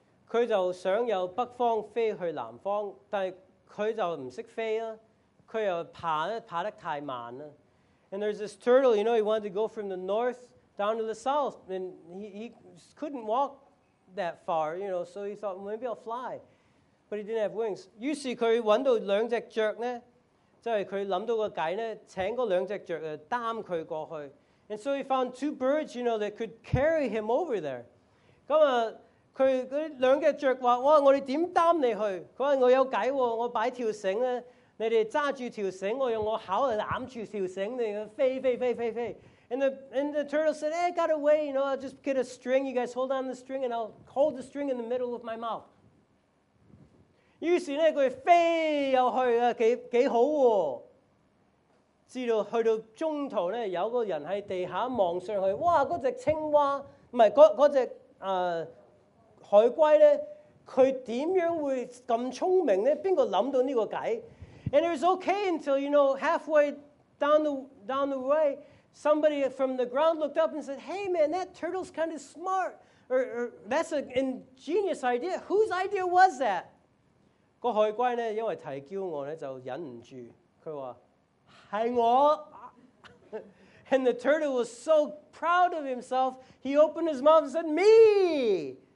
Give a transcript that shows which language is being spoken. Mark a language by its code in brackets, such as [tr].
[yue] 佢就想由北方飛去南方，但係佢就唔識飛啊，佢又爬得太慢啊。 [en] And there's this turtle, you know, he wanted to go from the north down to the south, and he couldn't walk that far, you know, so he thought, maybe I'll fly. But he didn't have wings. [yue] 於是佢揾到兩隻雀咧，即係佢諗到個計咧，請嗰兩隻雀擔佢過去。 [en] And so he found two birds, you know, that could carry him over there. [yue] 咁啊，佢嗰兩隻雀話：，哇，我哋點擔你去？佢話：我有計喎，我擺條繩咧，你哋揸住條繩，我用我口嚟攬住條繩，你飛飛飛飛飛。 [en] And the turtle said, "Hey, I got a way. You know, I'll just get a string. You guys hold on the string, and I'll hold the string in the middle of my mouth." [yue] 於是咧，佢飛又去啊，幾好喎！直到去到中途咧，有個人喺地下望上去，哇！嗰只青蛙唔係嗰只海龜咧，佢點樣會咁聰明咧？邊個諗到呢個計 [en] ？And it was okay until you know halfway down the way, somebody from the ground looked up and said, "Hey, man, that turtle's kind of smart. Or that's an ingenious idea. Whose idea was that?" [yue] 個海龜咧，因為太驕傲咧，就忍唔住，佢話。是我 [en] and the turtle was so proud of himself, he opened his mouth and said, "Me!"